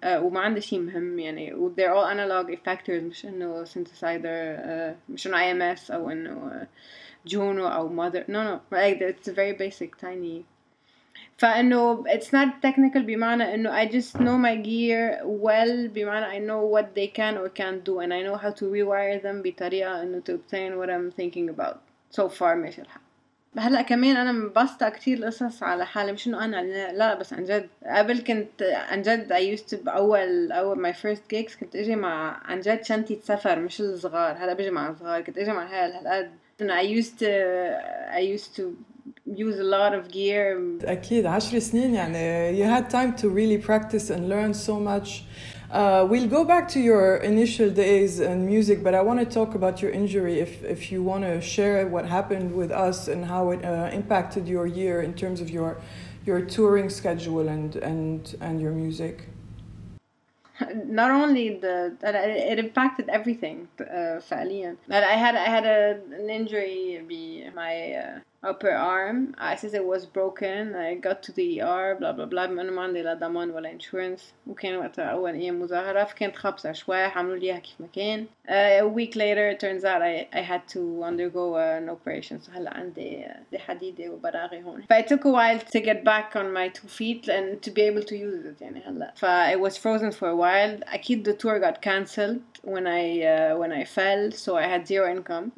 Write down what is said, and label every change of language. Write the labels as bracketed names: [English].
[Arabic] وما عندي شيء مهم يعني. [English] They're all analog effectors, [Arabic] مش إنه synthesizer, مش إنه IMS أو إنه Juno أو Mother. No. [English] Like it's very basic, tiny. فإنه it's not technical [Arabic] بمعنى إنه [English] I just know my gear well بمعنى I know what they can or can't do, and I know how to rewire them [Arabic] بطريقة إنه [English] to obtain what I'm thinking about. So far, [Arabic] ماشي الحال. هلأ كمان أنا مبسطة كتير القصص على حالي مش إنه أنا لا بس عن جد قبل كنت عن جد [English] I used to [Arabic] أول [English] my first gigs [Arabic] كنت أجي مع عن جد شنتي سفر مش الصغار هلأ بجي مع الصغار كنت أجي مع هال هالقد [English] I used to use a lot of gear [Arabic] أكيد 10 سنين يعني [English] you had time to really practice and learn so much. We'll go back to your initial days in music, but I want to talk about your injury if you want to share what happened with us and how it impacted your year in terms of your touring schedule and your music. Not only it impacted everything, [Arabic] فعليا. [English] I had an injury in my upper arm. I said it was broken. I got to the ER, blah, blah, blah. [Arabic] من ما عندي لا ضمان ولا انشورنس. وكان وقتها أول أيام مظاهرة. فكانت خبصة شوية. حملوا ليها كيف ما كان. [English] A week later, it turns out I had to undergo an operation. [Arabic] So هلا عندي حديدة وبراغي هون. [English] But it took a while to get back on my two feet and to be able to use it. [Arabic] يعني هلا. [English] It was frozen for a while. أكيد the tour got cancelled when I fell, so I had zero income.